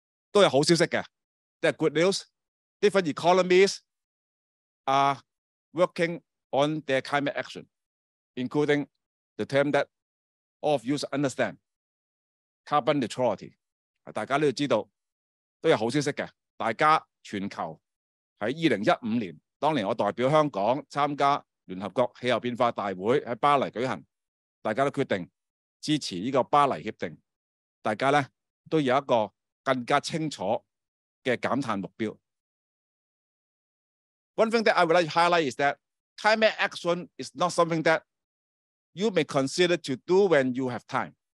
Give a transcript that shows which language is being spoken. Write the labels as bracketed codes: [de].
[yue] 都有好消息的, [en] that good news. Different economies are working on their climate action, including the term that all of you understand, carbon neutrality. [yue] 大家都知道都有好消息的。大家全球在2015年，当年我代表香港参加联合国气候变化大会在巴黎举行，大家都决定支持这个巴黎协定。大家都有一个更加清楚的减碳目标。 [en] One thing that I would like to highlight is that climate action is not something that you may consider to do when you have time.